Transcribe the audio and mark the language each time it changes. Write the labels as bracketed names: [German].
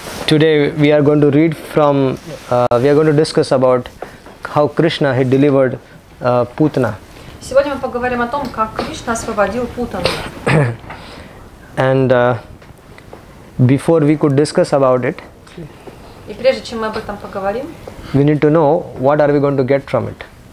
[English] Today we are going to read from, we are going to discuss about how Krishna had delivered Putana. [Russian] Сегодня мы поговорим о том, как Кришна освободил Путану. [English] And before we could discuss about it, [Russian] и прежде чем мы об этом поговорим, [English] we need to know what are we going to get from it.